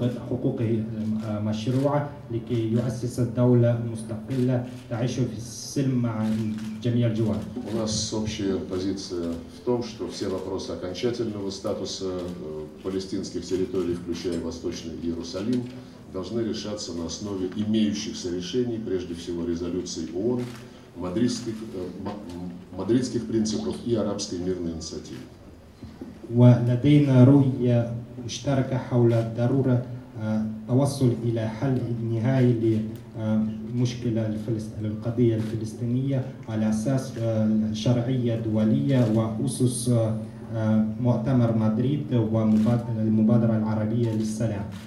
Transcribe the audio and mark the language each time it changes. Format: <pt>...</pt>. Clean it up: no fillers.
<ar>حقوق مشروعة لكي يؤسس الدولة مستقلة تعيش في السلم مع جميع الجوار.</ar> <ru>У нас общая позиция в том, что все вопросы окончательного статуса палестинских территорий, включая Восточный Иерусалим, должны решаться на основе имеющихся решений, прежде всего резолюций ООН, мадридских принципов и арабской мирной инициативы.</ru> <ar>ولدينا رؤية مشتركة حول ضرورة توصل إلى حل نهائي لمشكلة القضية الفلسطينية على أساس شرعية دولية وأسس مؤتمر مدريد والمبادرة العربية للسلام.</ar>